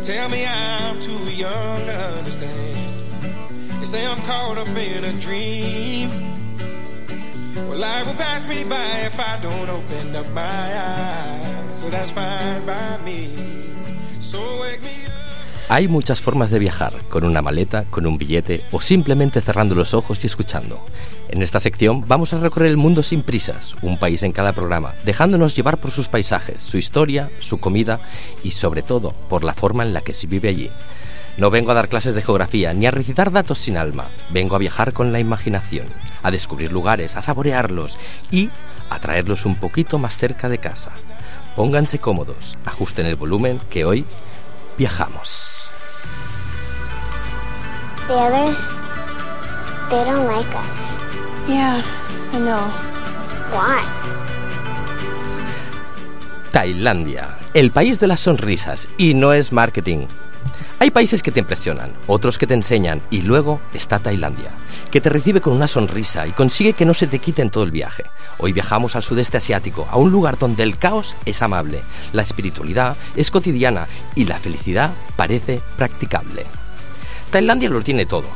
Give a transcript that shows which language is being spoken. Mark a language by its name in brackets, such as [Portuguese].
[English] tell me I'm too young to understand. They say I'm caught up in a dream. Well, life will pass me by if I don't open up my eyes. So that's fine by me. So wake me up. [Spanish] Hay muchas formas de viajar, con una maleta, con un billete o simplemente cerrando los ojos y escuchando. En esta sección vamos a recorrer el mundo sin prisas, un país en cada programa, dejándonos llevar por sus paisajes, su historia, su comida y sobre todo por la forma en la que se vive allí. No vengo a dar clases de geografía ni a recitar datos sin alma, vengo a viajar con la imaginación, a descubrir lugares, a saborearlos y a traerlos un poquito más cerca de casa. Pónganse cómodos, ajusten el volumen, que hoy viajamos. [English] The others, they don't like us. Yeah, I know. Why? [Spanish] Tailandia, el país de las sonrisas, y no es marketing. Hay países que te impresionan, otros que te enseñan, y luego está Tailandia, que te recibe con una sonrisa y consigue que no se te quite en todo el viaje. Hoy viajamos al sudeste asiático, a un lugar donde el caos es amable, la espiritualidad es cotidiana y la felicidad parece practicable. Tailandia lo tiene todo.